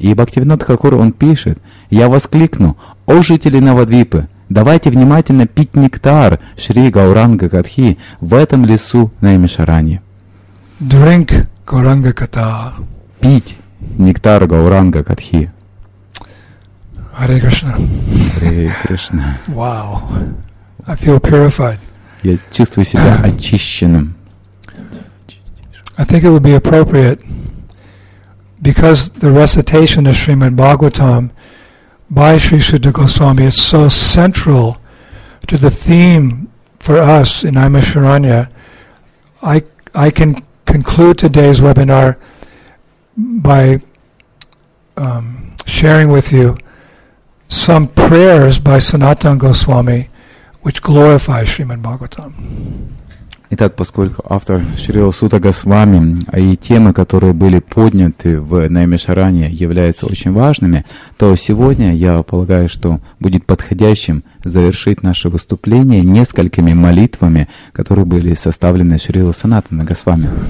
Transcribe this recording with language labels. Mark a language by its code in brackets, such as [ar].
[ru] И Бхактивинода Хакур, он пишет, я воскликну, о жители Навадвипы, давайте внимательно пить нектар Шри Гауранга Катхи в этом лесу Наймишаранья. [en] Drink Гауранга Катха. [ru] Пить. Нектар Гауранга Катхи. Харе Кришна. Харе Кришна. [en] Wow. I feel purified. [ru] Я чувствую себя очищенным. [en] I think it would be appropriate, because the recitation of Srimad Bhagavatam by Sri Siddha Goswami is so central to the theme for us in Naimasharanya, I can conclude today's webinar by sharing with you some prayers by Sanatana Goswami, which glorify Srimad Bhagavatam. [ru] Итак, поскольку автор Шрила Сута Госвами и темы, которые были подняты в Наймишаранье, являются очень важными, то сегодня я полагаю, что будет подходящим завершить наше выступление несколькими молитвами, которые были составлены Шрила Санатана Госвами.